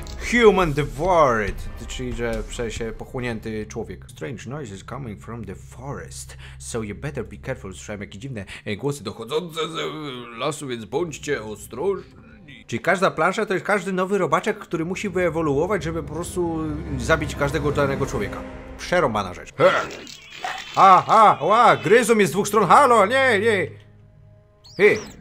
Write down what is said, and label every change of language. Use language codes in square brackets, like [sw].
[en] Human devoured, [pl] czyli że przecież pochłonięty człowiek. [en] Strange noises coming from the forest, so you better be careful. [pl] Słyszałem jakieś dziwne głosy dochodzące z lasu, więc bądźcie ostrożni. Czyli każda plansza to jest każdy nowy robaczek, który musi wyewoluować, żeby po prostu zabić każdego danego człowieka. Przerąbana rzecz. Ha! Ha! Ła! Gryzą mnie z dwóch stron! Halo! Nie! Nie! Hi!